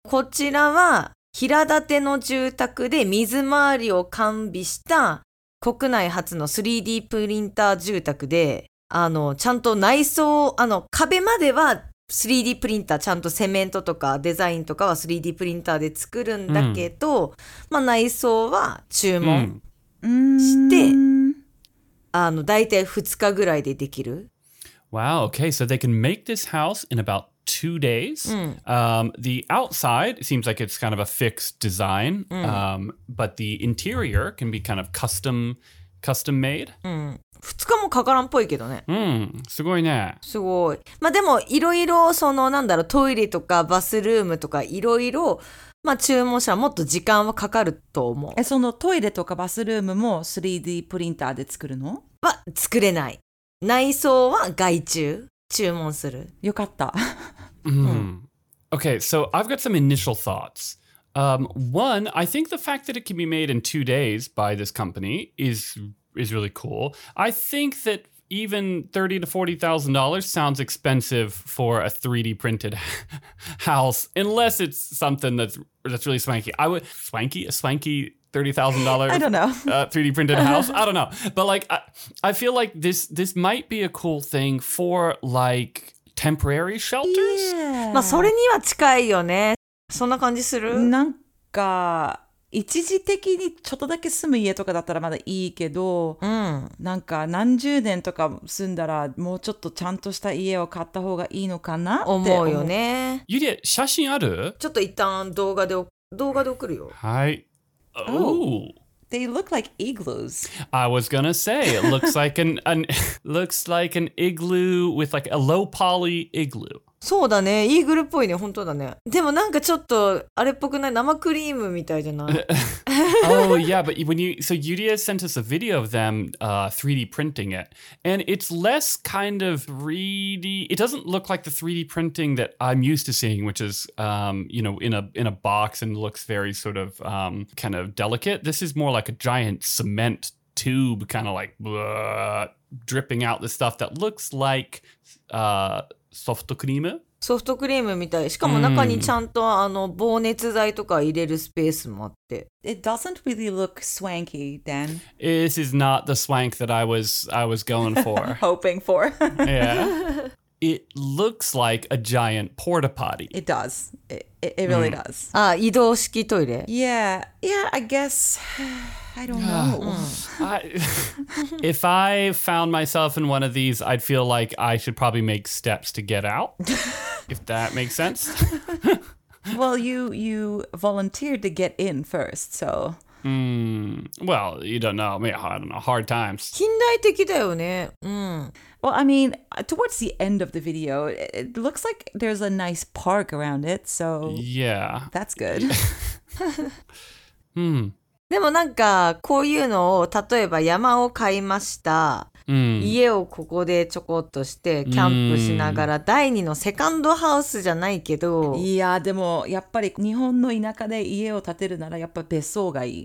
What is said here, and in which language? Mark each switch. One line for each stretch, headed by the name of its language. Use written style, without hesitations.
Japanese: こちらは平建ての住宅で水回りを完備した国内初の 3D プリンター住宅で、あの、ちゃんと内装、あの、壁までは 3D プリンター、ちゃんとセメントとかデザインとかは 3D プリンターで作るんだけど、うん、まあ、内装は注文して、うん、あの、大体2日ぐらいでできる。
English: Wow, okay, so they can make this house in about two days. The outside seems like it's kind of a fixed design, but the interior can be kind of custom made.
Japanese: 2日もかからんっぽいけどね。すごいね。すごい。まあでもいろいろそのなんだろう、トイレとかバスルームとかいろいろ、まあ注文者もっと時間はかかると思う。え、そのトイレとかバスルームも 3D プリンターで作るの？は作れない。内装は外注。注文する。よかった。
English: Okay, so I've got some initial thoughts. One, I think the fact that it can be made in 2 days by this company is really cool. I think that even $30,000 to $40,000 sounds expensive for a 3D printed house, unless it's something that's really swanky. I would swanky. $30,000. I don't know. 3D printed house. I don't know. But like, I feel like this might be a cool thing for like temporary shelters. Yeah.
Japanese: まあそれには近いよね。そんな感じする？なんか一時的にちょっとだけ住む家とかだったらまだいいけど、うん、なんか何十年とか住んだらもうちょっとちゃんとした家を買った方がいいのかなって思うよね。ユリア、写真ある？ちょっと一旦動画で送るよ。はい。
English: Ooh. Oh, they look like igloos. I was gonna say, it looks like an igloo with like a low poly igloo.
Japanese: そうだね、イーグルっぽいね、本当だね。でもなんかちょっとあれっぽくない、生クリームみたいじゃない。
English: Oh yeah, but when you so Yudia sent us a video of them 3D printing it, and it's less kind of 3D. It doesn't look like the 3D printing that I'm used to seeing, which is you know in a box and looks very sort of kind of delicate. This is more like a giant cement tube, kind of like dripping out the stuff that looks like ソフトクリーム
Japanese: みたい。しかも中にちゃんと、あの、防熱剤とか入れるスペースもあって。
English: It doesn't really look swanky, then. This is not the swank that I was going for. Hoping for. Yeah. It looks like a giant porta potty. It does. It really does.
Japanese: Ah, 移動式トイレ。
English: Yeah, I guess. I don't know. If I found myself in one of these, I'd feel like I should probably make steps to get out. If that makes sense. Well, you volunteered to get in first, so. Well, you don't know. I don't know. Hard times.
Japanese: 近代的だよね。
English: Well, I mean, towards the end of the video, it looks like there's a nice park around it, so... Yeah. That's good.
Japanese: でもなんか、こういうのを、例えば山を買いました。家をここでちょこっとして、キャンプしながら、第二のセカンドハウスじゃないけど。いや、でも、やっぱり日本の田舎で家を建てるなら、やっぱ別荘がいい。